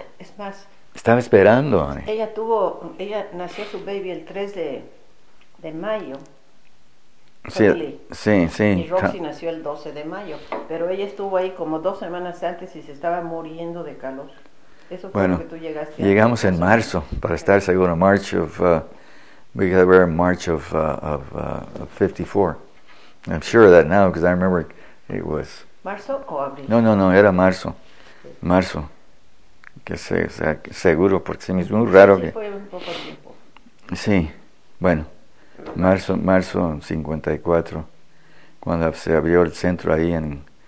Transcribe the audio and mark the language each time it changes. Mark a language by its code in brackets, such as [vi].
[es] Es más... Estaba esperando. Ella nació su baby el 3 de mayo. Sí, sí, sí. Y Roxy nació el 12 de mayo, pero ella estuvo ahí como dos semanas antes y se estaba muriendo de calor. Eso fue bueno, lo que tú llegaste. Llegamos en marzo, para estar seguro, [en] March of, because we're in March of 54. I'm sure of that now because I remember it was. [es] ¿Marzo o abril? No, era marzo. Marzo. Que sea seguro porque se me hizo muy raro. Sí, que fue un poco tiempo. Sí, bueno. Marzo 54, cuando se abrió el centro ahí en